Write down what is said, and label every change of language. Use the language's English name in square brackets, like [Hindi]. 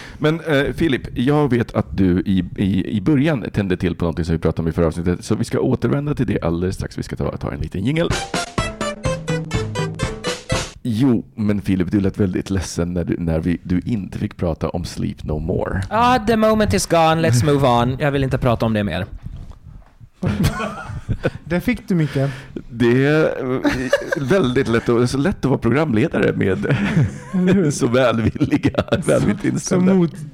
[Swedish] Men Filip, jag vet att du i början tände till på något som vi pratade om i förra avsnittet, så vi ska återvända till det alldeles strax. Vi ska ta en liten jingle. Jo, men Filip, du lät väldigt ledsen när du inte fick prata om Sleep No More. [English] Ah, the moment is gone, let's move on. [Swedish] Jag vill inte prata om det mer. Det fick du mycket. Det är väldigt lätt att, så lätt att vara programledare med så välvilliga, välvilligt inställda.